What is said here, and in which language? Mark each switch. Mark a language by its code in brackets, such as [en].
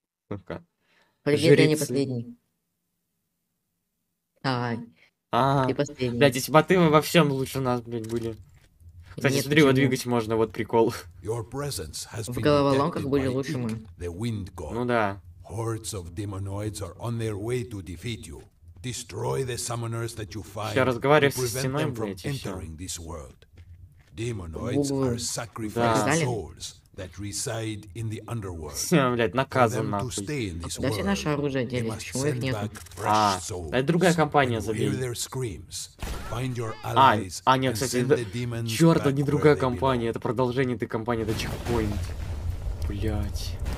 [ru] Ну-ка. Хоть где-то я не последний. Ай. А-а-а. Ты последний. Блядь, эти боты во всем лучше нас, блядь, были. Кстати, нет, смотри, его двигать можно, вот прикол. В головоломках были лучше мы. Ну да. [en] Hordes of demonoids are on their way to defeat you. Destroy the summoners that you find. [ru] Я разговариваю со стеной, блядь, и всё. [en] Demonoids are sacrificed souls that reside in the underworld. [ru] Блядь, наказан нахуй. Да все наше оружие делить, почему их нету? А, это другая компания, забей. А, нет, кстати, это... Чёрт, а не другая компания, это продолжение этой компании, это Checkpoint. Блядь.